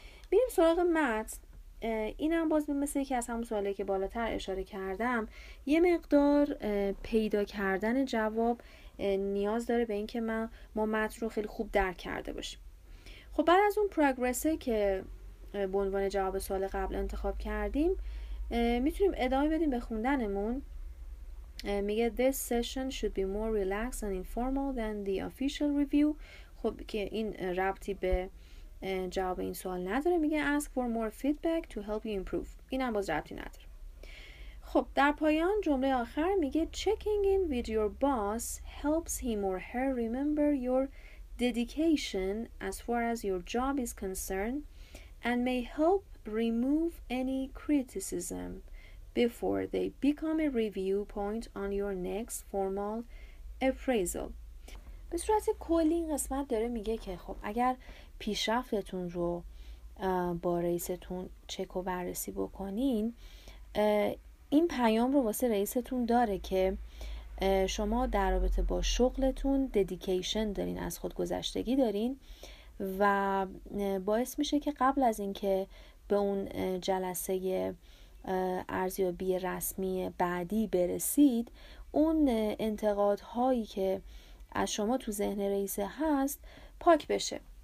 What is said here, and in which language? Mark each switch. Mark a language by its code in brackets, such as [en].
[fa] بیریم سراغ متن. این هم باز مثل یکی از همون سوالی که بالاتر اشاره کردم، یه مقدار پیدا کردن جواب نیاز داره به اینکه ما متن رو خیلی خوب درک کرده باشیم. خب بعد از اون پروگرسه که به عنوان جواب سوال قبل انتخاب کردیم، میتونیم ادامه بدیم به خوندنمون. [en] میگه This session should be more relaxed and informal than the official review. [fa] خب که این ربطی به جواب این سوال نداره، میگه [en] ask for more feedback to help you improve، [fa] این هم باز ربطی نداره. خب در پایان جمله آخر میگه [en] checking in with your boss helps him or her remember your dedication as far as your job is concerned and may help remove any criticism before they become a review point on your next formal appraisal. [fa] به صورت کلی این قسمت داره میگه که خب اگر پیشرفتتون رو با رئیستون چک و بررسی بکنین، این پیام رو واسه رئیستون داره که شما در رابطه با شغلتون ددیکیشن دارین، از خودگذشتگی دارین و باعث میشه که قبل از اینکه به اون جلسه ارزیابی رسمی بعدی برسید، اون انتقادهایی که از شما تو ذهن رئیس هست پاک بشه.